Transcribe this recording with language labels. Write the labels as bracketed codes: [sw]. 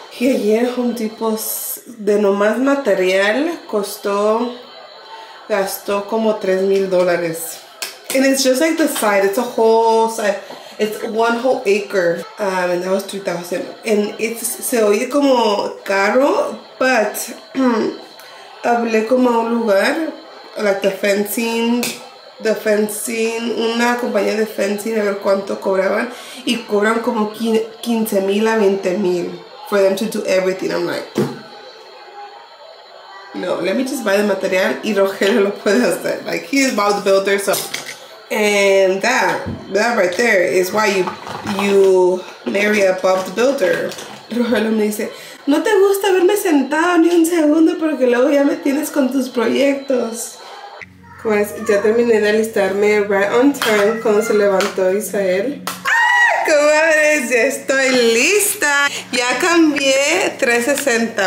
[es] Y ayer Home Depot de nomás material gastó como $3,000. [en] And it's just like the side, it's a whole side. It's one whole acre, and that was $3,000. And it's [es] se oye como caro, [en] but [es] hablé como a un lugar, [en] like the fencing, [es] una compañía de fencing, a ver cuánto cobraban, y cobran como [en] $15,000 to $20,000 for them to do everything. I'm like, no, let me just buy the material, [es] y Rogelio lo puede hacer. [en] Like, he is about the builder, so. And that right there is why you marry above the builder. [es] Rogelio me dice, no te gusta verme sentado ni un segundo porque luego ya me tienes con tus proyectos. Pues ya terminé de alistarme [en] right on time [es] cuando se levantó Isael. Comadres, ya estoy lista. Ya cambié 360.